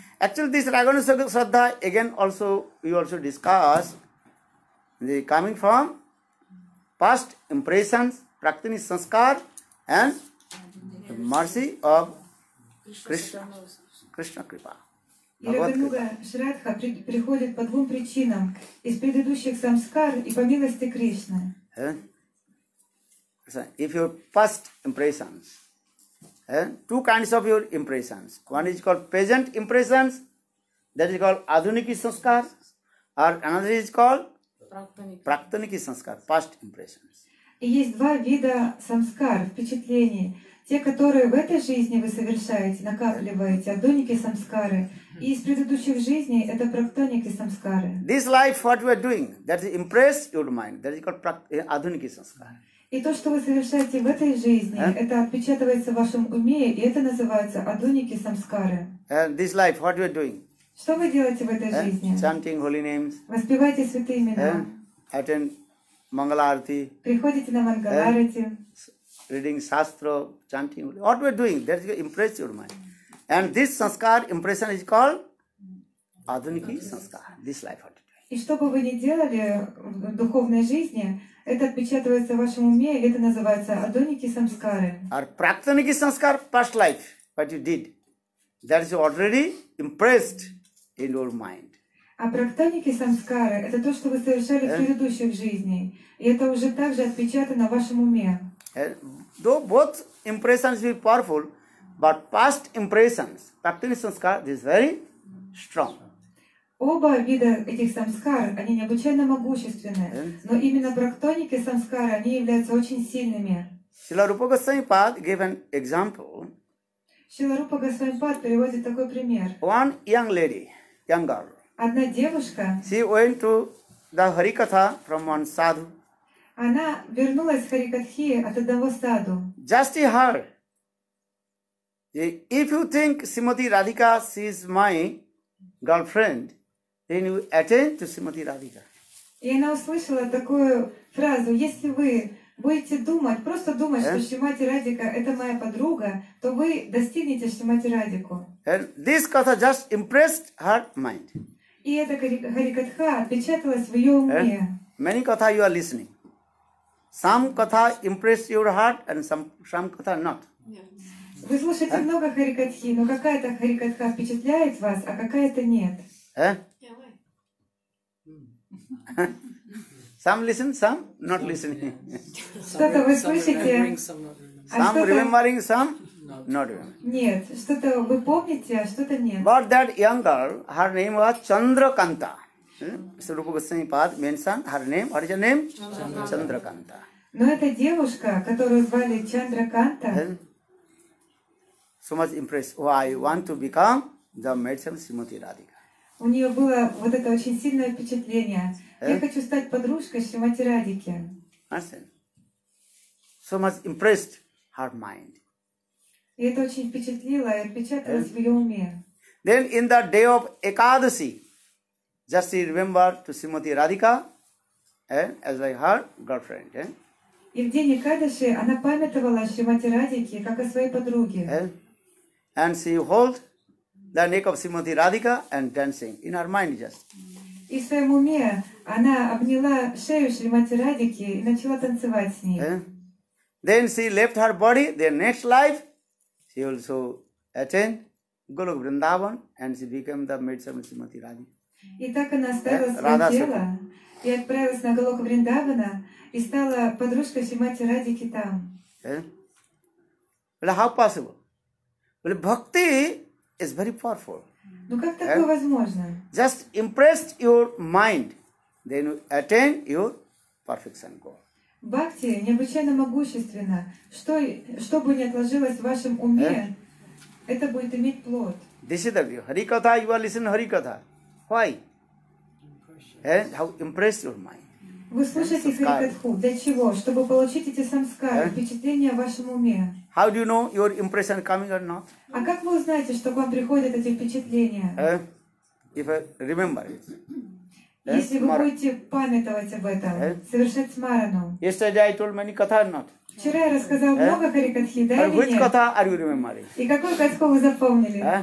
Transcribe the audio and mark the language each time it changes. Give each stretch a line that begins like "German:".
English: Actually, this Рагануга Shraddha again also we also discuss the coming from past impressions, Praktini Sanskar and the mercy of Krishna Kripa.
Russian: И Рагануга Шраддха приходит по двум причинам. Из предыдущих самскар и по милости Кришны.
English: If your first impressions, two kinds of your impressions. One is called present impressions, that is called Adhuniki Samskar, or another is called Praktaniki Samskar, past impressions.
Russian: И есть два вида самскар, впечатлений. Те, которые в этой жизни вы совершаете, накапливаете, Адхуники Самскары, и из предыдущих жизней это практоники самскары.
English: This life, what we are doing, that is impress your mind. That is called Адхуники Самскары.
Russian: И то, что вы совершаете в этой жизни, это отпечатывается в вашем уме, и это называется Адхуники Самскары.
English: And this life, what we are doing?
Russian: Что вы делаете в этой жизни?
English: Chanting holy names.
Russian: Воспевайте святые имена.
English: Attend Mangala Arati.
Russian: Приходите на Mangala Arati.
English: Reading Shastra, chanting, what we are doing, that is to impress your mind. And this sanskar impression is called Adhuniki sanskar, this life what we are doing.
Russian: И что бы вы ни делали в духовной жизни, это отпечатывается в вашем уме, и это называется Адхуники Самскары.
English: Or Praktaniki sanskar, past life, what you did, that is already impressed in your mind.
Russian: А Praktaniki Samskara, это то, что вы совершали в предыдущих жизнях, и это уже также отпечатано в вашем уме.
English: Though both impressions be powerful, but past impressions, Praktini Samskar, is very strong.
Russian: Оба вида этих самскар, они необычайно могущественны. Но именно практоники самскары, они являются очень сильными.
English: Шрила Рупа Госвами Пад gave an example.
Russian: Шрила Рупа Госвами Пад приводит такой пример.
English: One young lady, young girl.
Russian: Одна девушка.
English: She went to the Harikatha from one sadhu.
Russian: Она вернулась в Харикатхи от одного саду.
English: Just her. If you think Srimati Radhika is my girlfriend, then you attend to Srimati Radhika.
Russian: И она услышала такую фразу. Если вы будете думать, просто думать, что Шримати Радика – это моя подруга, то вы достигнете Шримати Радику.
English: This katha just impressed her mind.
Russian: И эта харикатха отпечаталась в ее уме.
English: Many katha you are listening. Some katha impress your heart and some katha not.
Russian: Вы слушаете много харикатхи, но какая-то харикатха впечатляет вас, а какая-то нет.
English: Some listen, some not listening.
Russian: Что-то вы слышите?
English: Some remembering, some not remembering.
Russian: Нет, что-то вы помните, а что-то нет.
English: But that young girl, her name was Chandrakanta. Srupa Goswami Pad mentioned her name. What is her name? Chandrakanta.
Russian: Но эта девушка, которую звали Чандраканта,
English: so much impressed. Oh, I want to become the medicine Srimati Radhika.
Russian: У нее было вот это очень сильное впечатление. Я хочу стать подружкой Шримати Радике.
English: So much impressed her mind.
Russian: И это очень впечатлило, и отпечаталось в ее уме.
English: Then in the day of Ekadasi, just remember to Srimati Radhika, as like her girlfriend.
Russian: И в день Экадаши она памятовала Шримати Радике, как о своей подруге.
English: And she hold the neck of Srimati Radhika and dancing in her mind just.
Russian: И в своем уме она обняла шею Шримати Радики и начала танцевать с ней.
English: Then she left her body, then next life, she also attained Golok Vrindavan and she became the maid servant Srimati Radhika.
Russian: И так она оставила свое тело и отправилась на Голок Вриндавана и стала подружкой Шримати Радики там.
English: But how possible? Well, bhakti is very powerful.
Russian: Ну как такое возможно?
English: Just impress your mind, then you attain your perfection goal.
Russian: Бхакти необычайно могущественно. Что бы ни отложилось в вашем уме, это будет иметь плод.
English: This is the view. Harikatha, you are listening Harikatha. Why? And how impress your mind?
Russian: Вы слушаете Харикатху. Для чего? Чтобы получить эти самскары, впечатления в вашем уме.
English: How do you know your impression coming or not?
Russian: А как вы узнаете, что к вам приходят эти впечатления?
English: If I remember it.
Russian: Если вы будете памятовать об этом, совершать смарану.
English: Yesterday I told many katha or not?
Russian: Вчера я рассказал много харикатхи, да или нет?
English: Which katha are you remembering?
Russian: И какую катху вы запомнили?